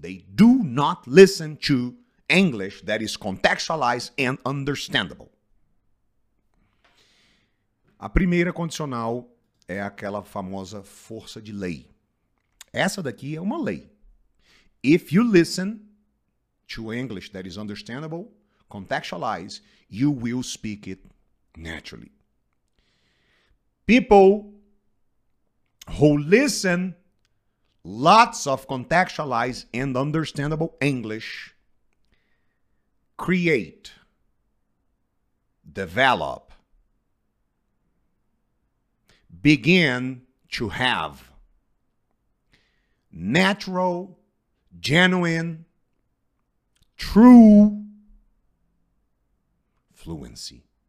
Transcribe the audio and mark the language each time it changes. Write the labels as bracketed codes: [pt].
[en] They do not listen to English that is contextualized and understandable. [pt] A primeira condicional é aquela famosa força de lei. Essa daqui é uma lei. [en] If you listen to English that is understandable, contextualized, you will speak it naturally. People who listen lots of contextualized and understandable English create, develop, begin to have natural, genuine, true fluency.